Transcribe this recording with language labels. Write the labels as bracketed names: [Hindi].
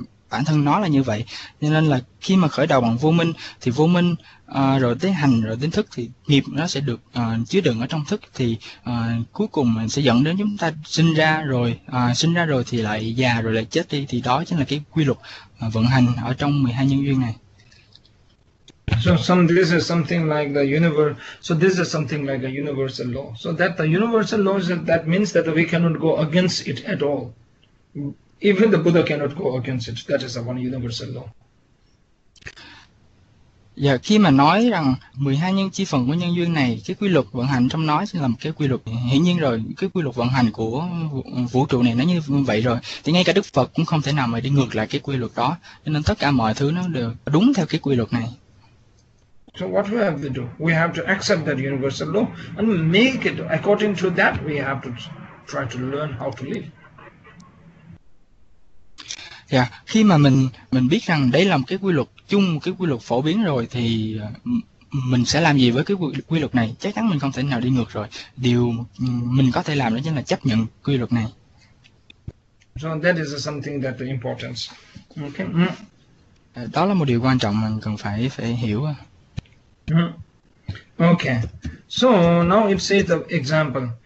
[Vietnamese] bản thân nó là như vậy cho nên là khi mà khởi đầu bằng vô minh thì vô minh rồi tới hành rồi đến thức thì nghiệp nó sẽ được chứa đựng ở trong thức thì cuối cùng mình sẽ dẫn đến chúng ta sinh ra rồi thì lại già rồi lại chết đi thì đó chính là cái quy luật vận hành ở trong 12 nhân duyên này. [English] So some this is something like the universe. So this is something like a universal law. So that the universal law is that means that we cannot go against it at all. Even the Buddha cannot go against it. That is a one universal law. [Vietnamese] Và khi mà nói rằng 12 nhân chi phần của nhân duyên này, cái quy luật vận hành trong nó sẽ là một cái quy luật hiển nhiên rồi, cái quy luật vận hành của vũ trụ này nó như vậy rồi, thì ngay cả Đức Phật cũng không thể nào mà đi ngược lại cái quy luật đó, cho nên tất cả mọi thứ nó đều đúng theo cái quy luật này. [English] So what we have to do? We have to accept that universal law and make it according to that. We have to try to learn how to live. Yeah. [Vietnamese] Khi mà mình biết rằng đấy là một cái quy luật chung, cái quy luật phổ biến rồi thì mình sẽ làm gì với cái quy luật này? Chắc chắn mình không thể nào đi ngược rồi. Điều mình có thể làm đó chính là chấp nhận quy luật này. [English] So that is something that the importance. [Vietnamese] Đó là một điều quan trọng mình cần phải phải hiểu. [English] So now it says the example.